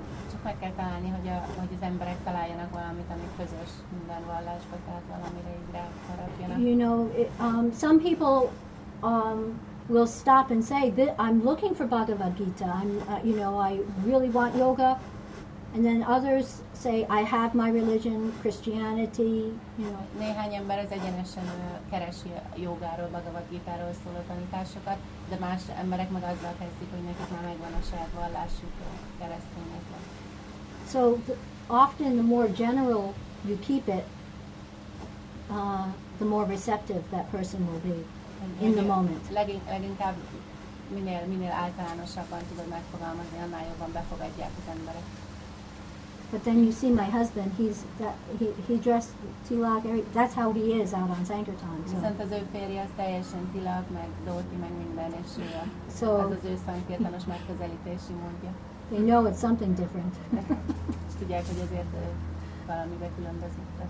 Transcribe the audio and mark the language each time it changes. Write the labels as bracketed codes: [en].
[hu] Csak meg kell találni, hogy az emberek találjanak valamit, ami közös minden vallásba, tehát valamire így rákarapjanak. [en] You know, some people will stop and say, I'm looking for Bhagavad Gita, I really want yoga. And then others say, I have my religion, Christianity, [hu] Néhány ember az egyenesen keresi jogáról, Bhagavad Gita-ról szóló tanításokat, de más emberek meg azzal kezdik, hogy nekik már megvan a saját vallásuk keresztények. [en] So often the more general you keep it, the more receptive that person will be in the moment. [hu] Leginkább minél általánosabban tudod megfogalmazni, annál jobban befogadják az emberek. [en] But then you see my husband, he dressed tilak, that's how he is out on Sankirtan. [hu] Viszont az ő férje az teljesen tilak, meg dóti, meg minden, és az az ő szankirtanos megközelítési módja. [en] They know it's something different. [hu] És tudják, hogy azért valamiben különbözik.